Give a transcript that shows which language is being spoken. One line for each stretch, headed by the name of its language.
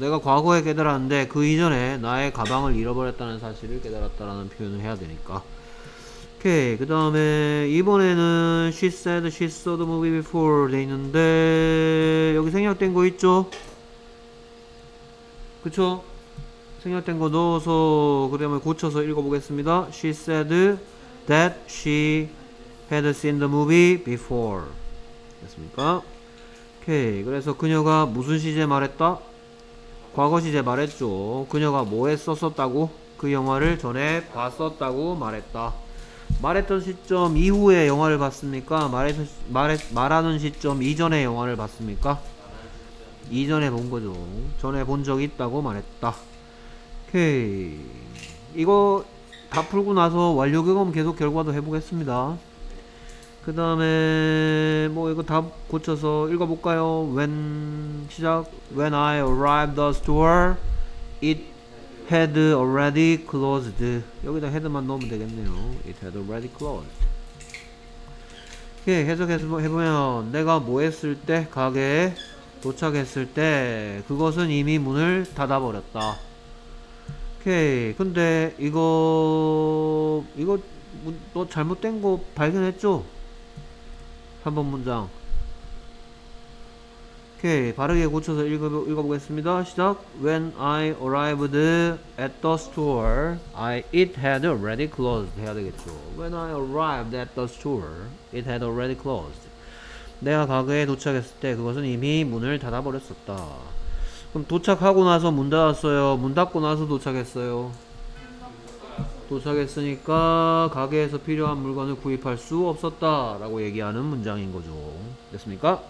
Korean: 내가 과거에 깨달았는데 그 이전에 나의 가방을 잃어버렸다는 사실을 깨달았다라는 표현을 해야 되니까. 오케이. 그 다음에 이번에는
English: she said she saw the movie before
Korean: 돼 있는데 여기 생략된 거 있죠? 그쵸? 생략된 거 넣어서 그 다음에 고쳐서 읽어보겠습니다.
English: She said that she had seen the movie before.
Korean: 됐습니까? 오케이. 그래서 그녀가 무슨 시제 말했다? 과거 시제 말했죠. 그녀가 뭐 했었었다고? 그 영화를 전에 봤었다고 말했다. 말했던 시점 이후에 영화를 봤습니까? 말하는 시점 이전에 영화를 봤습니까? 이전에 본 거죠. 전에 본 적이 있다고 말했다. 오케이. 이거 다 풀고 나서 완료 경험 계속 결과도 해보겠습니다. 그 다음에 뭐 이거 다 고쳐서 읽어볼까요?
English: When
Korean: 시작.
English: When I arrived the store, it had already closed.
Korean: 여기다 had만 넣으면 되겠네요.
English: It had already closed.
Korean: 오케이. 해보면 내가 뭐 했을 때 가게에 도착했을 때 그것은 이미 문을 닫아버렸다. 오케이. 근데 이거 너 잘못된 거 발견했죠? 3번 문장. 오케이. 바르게 고쳐서 읽어보겠습니다. 시작.
English: When I arrived at the store, it had already closed.
Korean: 해야 되겠죠.
English: When I arrived at the store, it had already closed.
Korean: 내가 가게에 도착했을 때 그것은 이미 문을 닫아버렸었다. 그럼 도착하고 나서 문 닫았어요? 문 닫고 나서 도착했어요? 도착했으니까 가게에서 필요한 물건을 구입할 수 없었다라고 얘기하는 문장인 거죠. 됐습니까?